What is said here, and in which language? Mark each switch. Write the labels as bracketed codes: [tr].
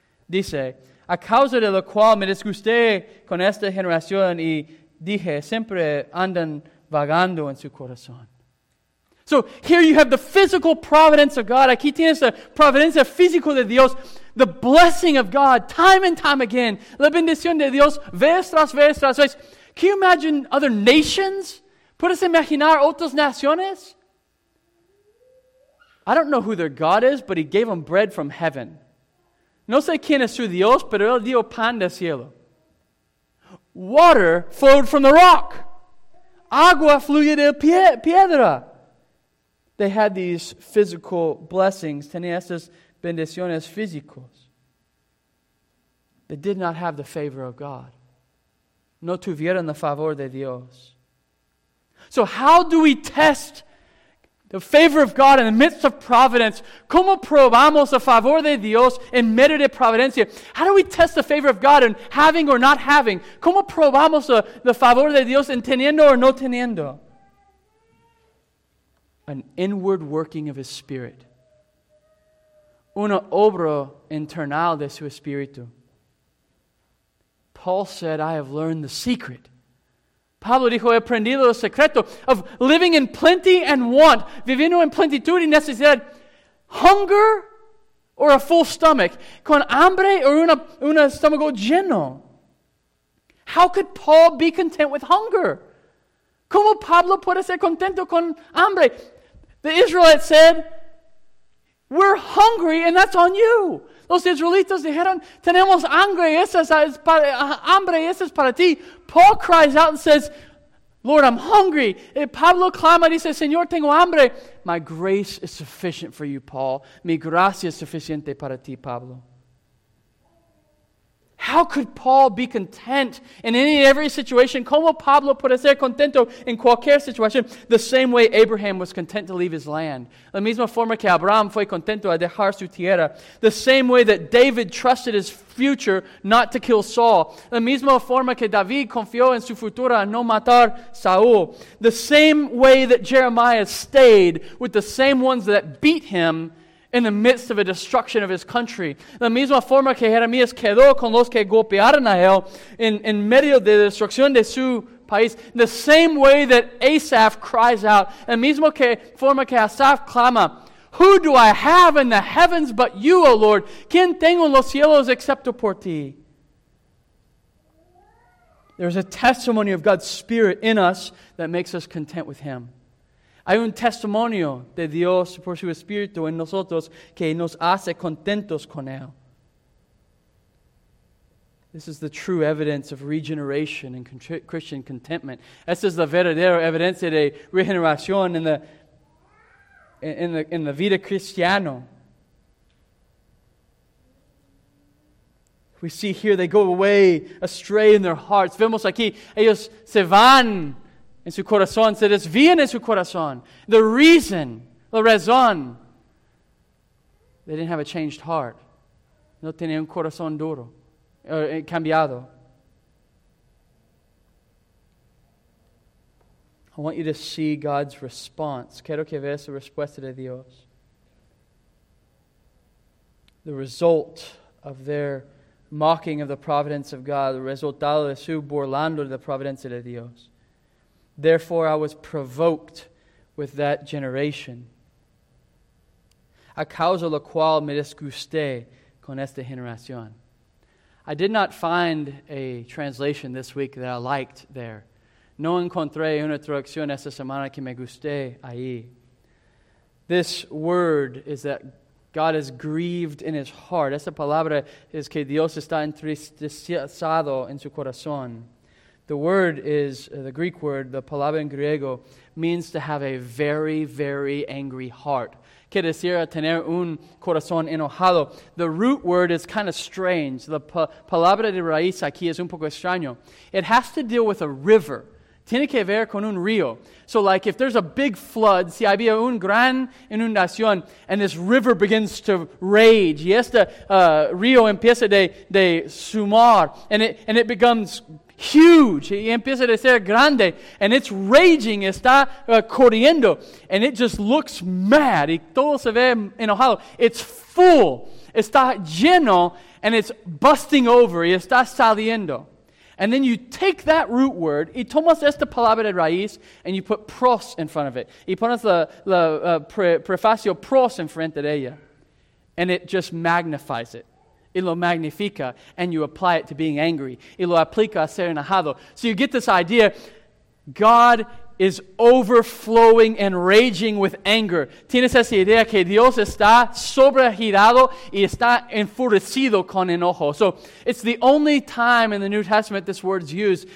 [es] Dice, a causa de lo cual me disgusté con esta generación y dije, siempre andan vagando en su corazón. [en] So here you have the physical providence of God. [es] Aquí tienes la providencia física de Dios. [en] The blessing of God time and time again. [es] La bendición de Dios vez tras vez tras vez. [en] Can you imagine other nations? [es] ¿Puedes imaginar otras naciones? [en] I don't know who their God is, but he gave them bread from heaven. [es] No sé quién es su Dios, pero él dio pan del cielo. [en] Water flowed from the rock. [es] Agua fluye de piedra. [en] They had these physical blessings. [es] Tenían estas bendiciones físicas. [en] They did not have the favor of God. [es] No tuvieron el favor de Dios. [en] So how do we test the favor of God in the midst of providence? [es] ¿Cómo probamos el favor de Dios en medio de providencia? [en] How do we test the favor of God in having or not having? [es] ¿Cómo probamos el favor de Dios en teniendo or no teniendo? [en] an inward working of His Spirit. [es] Una obra internal de su espíritu. [en] Paul said, I have learned the secret. [es] Pablo dijo, he aprendido el secreto [en] of living in plenty and want, [es] viviendo en plenitud y necesidad, [en] hunger or a full stomach, [es] con hambre o un estómago lleno. [en] How could Paul be content with hunger? [es] ¿Cómo Pablo puede ser contento con hambre? [en] The Israelites said, we're hungry and that's on you. [es] Los israelitas dijeron, tenemos hambre, esa es para ti. [en] Paul cries out and says, Lord, I'm hungry. [es] Y Pablo clama y dice, Señor, tengo hambre. [en] My grace is sufficient for you, Paul. [es] Mi gracia es suficiente para ti, Pablo. [en] How could Paul be content in any and every situation? [es] ¿Cómo Pablo puede ser contento en cualquier situación? [en] The same way Abraham was content to leave his land. [es] La misma forma que Abraham fue contento a dejar su tierra. [en] The same way that David trusted his future not to kill Saul. [es] La misma forma que David confió en su futuro a no matar Saúl. [en] The same way that Jeremiah stayed with the same ones that beat him in the midst of a destruction of his country. [es] La misma forma que Jeremías quedó con los que golpearon a él en medio de la destrucción de su país. [en] The same way that Asaph cries out. [es] La misma forma que Asaph clama. [en] Who do I have in the heavens but you, O Lord? [es] ¿Quién tengo en los cielos excepto por ti? [en] There's a testimony of God's Spirit in us that makes us content with Him. [es] Hay un testimonio de Dios por su Espíritu en nosotros que nos hace contentos con Él. [en] This is the true evidence of regeneration and Christian contentment. [es] Esta es la verdadera evidencia de regeneración en la vida cristiana. [en] We see here they go away astray in their hearts. [es] Vemos aquí, ellos se van en su corazón, se desvían en su corazón. [en] The reason, [es] la razón, [en] they didn't have a changed heart. [es] No tenían un corazón duro, cambiado. [en] I want you to see God's response. [es] Quiero que veas la respuesta de Dios. [en] The result of their mocking of the providence of God, [es] el resultado de su burlando de la providencia de Dios. [en] Therefore, I was provoked with that generation. [es] A causa la cual me disgusté con esta generación. [en] I did not find a translation this week that I liked there. [es] No encontré una traducción esta semana que me guste ahí. [en] This word is that God is grieved in his heart. [es] Esa palabra es que Dios está entristecido en su corazón. [en] The word is, the Greek word, the [es] palabra en griego, [en] means to have a very, very angry heart. [es] Quiere decir tener un corazón enojado. [en] The root word is kind of strange. [es] The palabra de raíz aquí es un poco extraño. [en] It has to deal with a river. [es] Tiene que ver con un río. [en] So like if there's a big flood, [es] si había un gran inundación, [en] and this river begins to rage, [es] y este río empieza de sumar, [en] and it becomes huge, [es] y empieza a ser grande, [en] and it's raging, [es] está corriendo, [en] and it just looks mad, [es] y todo se ve enojado. [en] It's full, [es] está lleno, [en] and it's busting over, [es] y está saliendo. [en] And then you take that root word, [es] y tomas esta palabra de raíz, [en] and you put pros in front of it. [es] Y pones la prefacio pros en frente de ella. [en] And it just magnifies it. [es] Y lo magnifica, [en] and you apply it to being angry. [es] Y lo aplica a ser enojado. [en] So you get this idea, God is overflowing and raging with anger. [es] Tienes esa idea que Dios está sobregirado y está enfurecido con enojo. [en] So, it's the only time in the New Testament this word's used.